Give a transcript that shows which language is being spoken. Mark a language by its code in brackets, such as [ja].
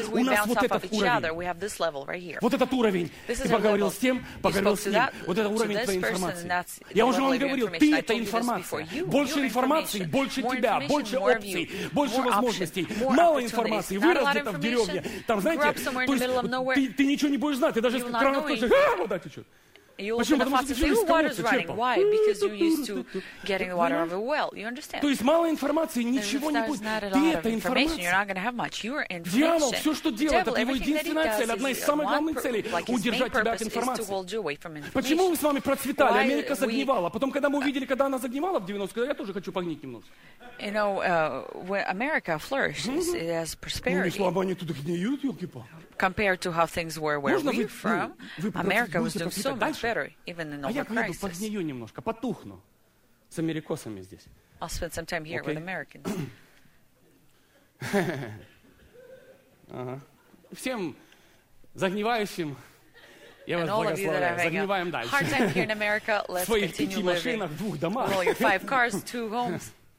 [ru] У нас вот этот уровень. Вот этот уровень. Ты поговорил с тем, поговорил с ним. Вот это уровень твоей информации. Я уже вам говорил, ты — это информация. Больше информации — больше тебя, больше опций, больше возможностей. Мало информации, вырос где-то в деревне. Там, знаете, то есть, ты ничего не будешь знать. Ты даже с краном скажешь, вода течет. [en] You open the faucet, say, oh, water's running. Why? Because you're used to getting the water out of a well. You understand? [ru] То есть мало информации, ничего не будет. Ты это информация. [en] Information. You're not going to have much. You're information. [ru] Дьявол, все, что делает, это его единственная цель, одна из самых главных целей, удержать тебя от информации. Почему мы с вами процветали? Америка загнивала. Потом, когда мы увидели, когда она загнивала в 90-х, я тоже хочу погнить немножко. [en] You know, when America flourishes, it has prosperity. [ru] Ну, слабо, они тут гниют, ёлки-палки. [en] Compared to how things were where Можно we're from, America was doing so much better, even in all а the crisis. [ru] Погнию немножко, потухну с америкосами здесь. [en] I'll spend some time here okay. with Americans. [ru] Всем загнивающим, я вас благословляю. Загниваем дальше. [en] Hard time here in America, let's continue living. [ru] Двух домах. [en] Well, your five cars, two homes.